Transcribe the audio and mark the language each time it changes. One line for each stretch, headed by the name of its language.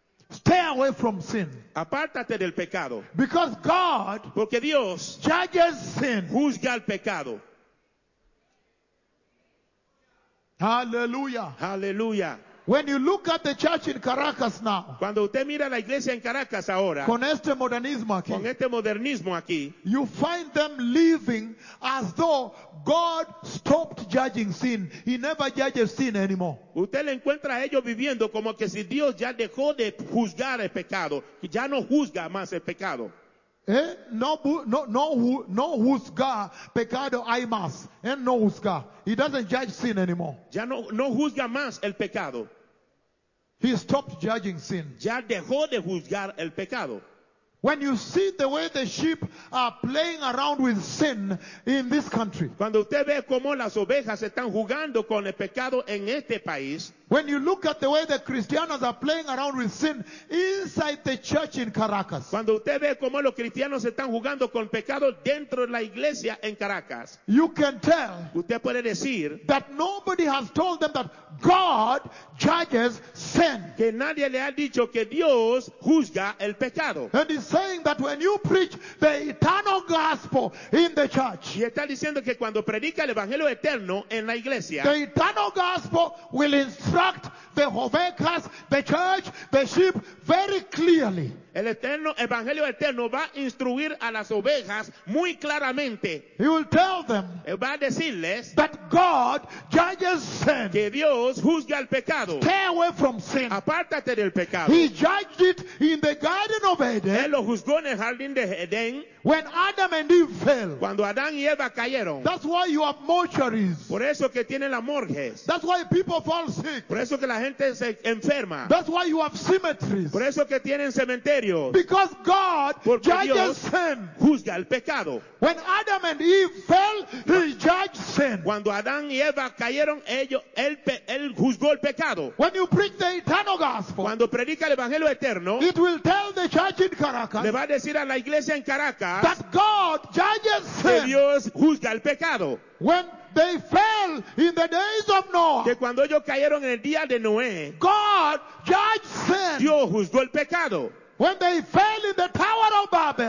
English: Stay away from sin.
Spanish: Apártate del pecado.
English: Because God,
Spanish: porque Dios,
English: judges sin,
Spanish: juzga el pecado. Hallelujah. Hallelujah.
English: When you look at the church in Caracas now,
Spanish: cuando usted mira la iglesia en Caracas ahora, con este modernismo aquí, con este modernismo aquí,
English: you find them living as though God stopped judging sin. He never judges sin anymore.
Spanish: Usted le encuentra a ellos viviendo como que si Dios ya dejó de juzgar el pecado, que ya no juzga más el pecado. Eh? No juzga pecado hay más. Eh? No juzga.
English: He doesn't judge sin anymore.
Spanish: Ya no, no juzga más el pecado.
English: He stopped judging sin.
Spanish: Ya dejó de juzgar el pecado.
English: When you see the way the sheep are playing around with sin in this country,
Spanish: cuando usted ve cómo las ovejas están jugando con el pecado en este país,
English: when you look at the way the Christians are playing around with sin inside the church in Caracas,
Spanish: cuando usted ve cómo los cristianos están jugando con pecado dentro de la iglesia en Caracas,
English: you can tell,
Spanish: usted puede decir,
English: that nobody has told them that God judges sin,
Spanish: que nadie le ha dicho que Dios juzga el pecado.
English: And he's saying that when you preach the eternal gospel in the church,
Spanish: y está diciendo que cuando predica el evangelio eterno en la iglesia,
English: the eternal gospel will instruct the ovejas, the church, the sheep very clearly.
Spanish: El eterno evangelio eterno va a instruir a las ovejas muy claramente.
English: He will tell them,
Spanish: va a decirles,
English: that God judges sin,
Spanish: que Dios juzga el pecado.
English: Stay away from sin.
Spanish: Apártate del pecado.
English: He judged it in the Garden of Eden.
Spanish: Él lo juzgó en el jardín de Edén.
English: When Adam and Eve fell,
Spanish: cuando Adán y Eva cayeron,
English: that's why you have mortuaries.
Spanish: Por eso que tienen las morgues.
English: That's why people fall sick.
Spanish: Por eso que la gente se enferma.
English: That's why you have cemeteries.
Spanish: Por eso que tienen cementerios.
English: Because God,
Spanish: porque
English: judges
Spanish: Dios
English: sin,
Spanish: juzga el pecado.
English: When Adam and Eve fell, he judged sin.
Spanish: Cuando Adán y Eva cayeron, ellos, él juzgó el pecado.
English: When you preach the eternal gospel,
Spanish: cuando predica el evangelio eterno,
English: it will tell the church in Caracas,
Spanish: le va a decir a la iglesia en Caracas,
English: that God judges sin.
Spanish: Que Dios juzga el pecado.
English: When they fell in the days of Noah,
Spanish: que cuando ellos cayeron en el día de Noé,
English: God judged sin.
Spanish: Dios juzgó el pecado.
English: When they fell in the tower of Babel,